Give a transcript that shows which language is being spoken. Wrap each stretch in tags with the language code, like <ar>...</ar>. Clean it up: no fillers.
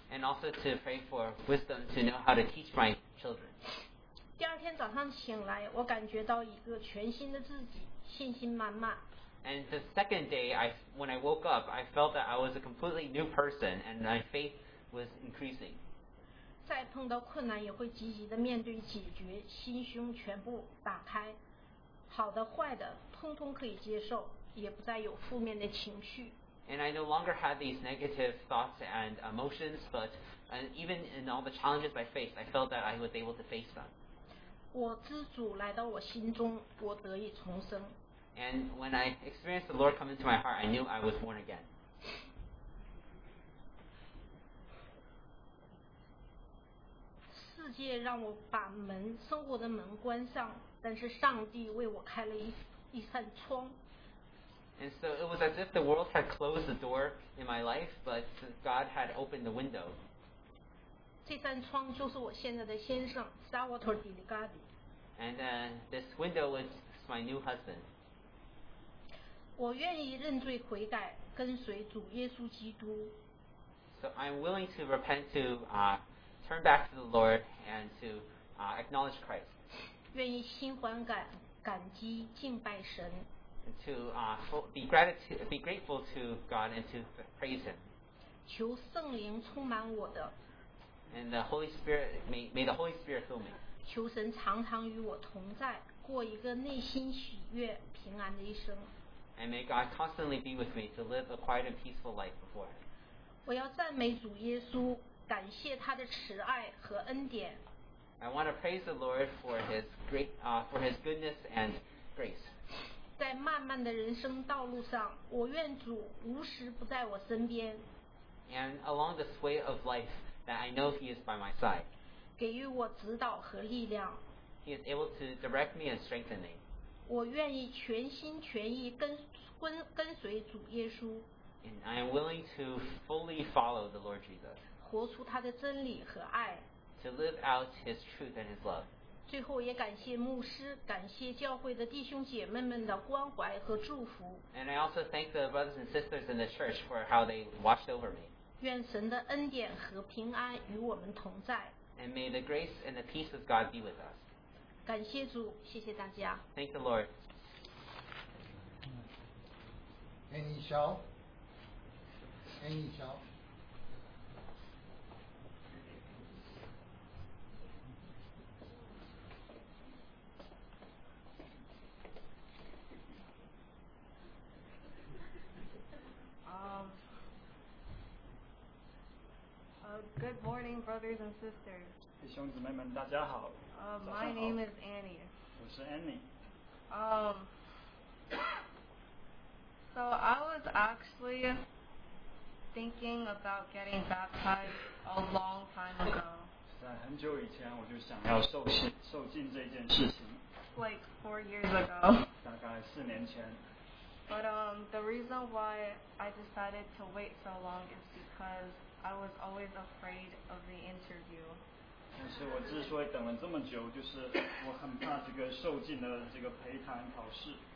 <en>And also to pray for wisdom to know how to teach my children.</en> <zh>第二天早上醒来，我感觉到一个全新的自己，信心满满。</zh> <en>And the second day, when I woke up, I felt that I was a completely new person, and my faith was increasing.</en> <zh>再碰到困难也会积极地面对解决，心胸全部打开，好的坏的通通可以接受，也不再有负面的情绪。</zh> <en>And I no longer had these negative thoughts and emotions, but even in all the challenges I faced, I felt that I was able to face them.</en> <zh>我知主来到我心中, 我得以重生。</zh> <en>And when I experienced the Lord come into my heart, I knew I was born again.</en> <zh>世界让我把门, 生活的门关上, 但是上帝为我开了一扇窗。</zh> <en>And so it was as if the world had closed the door in my life, but God had opened the window.</en> <zh>这扇窗就是我现在的先生, Salvatore Di Ligabi.</zh> <en>And this window was my new husband.</en> <zh>我愿意认罪悔改, 跟随主耶稣基督。</zh> <en>So I'm willing to repent to turn back to the Lord and to acknowledge Christ.</en> <zh>愿意心怀感感激敬拜神。</zh> <en>To be grateful to God and to praise Him.</en> <zh>求圣灵充满我的。</zh> <en>And the Holy Spirit may the Holy Spirit fill me.</en> <zh>求神常常与我同在，过一个内心喜悦平安的一生。</zh> <en>And may God constantly be with me to live a quiet and peaceful life before Him.</en> <zh>我要赞美主耶稣，感谢他的慈爱和恩典。</zh> <en>I want to praise the Lord for His great for His goodness and grace.</en> <zh>在漫漫的人生道路上，我愿主无时不在我身边。</zh> <en>And along the way of life, that I know He is by my side.</en> <zh>给予我指导和力量。</zh> <en>He is able to direct me and strengthen me.</en> <zh>我愿意全心全意跟随主耶稣。</zh> <en>And I am willing to fully follow the Lord Jesus.</en> <zh>活出他的真理和爱。</zh> <en>To live out His truth and His love.</en> <zh>最后也感谢牧师，感谢教会的弟兄姐妹们的关怀和祝福。</zh> <en>And I also thank the brothers and sisters in the church for how they watched over me.</en> <zh>愿神的恩典和平安与我们同在。</zh> <en>And may the grace and the peace of God be with us.</en> <zh>感谢主，谢谢大家。</zh> <en>Thank the Lord. Any shout? Good morning, brothers and sisters.</en> <zh>弟兄姊妹们，大家好。</zh> <en>My name is Annie.</en> <zh>我是 Annie.</zh> <en>So I was actually thinking about getting baptized a long time ago.</en> <zh>在很久以前，我就想要受浸这件事情。</zh> <en>Like 4 years ago.</en> <zh>大概四年前。</zh> <en>But the reason why I decided to wait so long is because I was always afraid of the interview.</en> <zh>但是我之所以等了这么久，就是我很怕这个受浸的这个陪谈考试。</zh>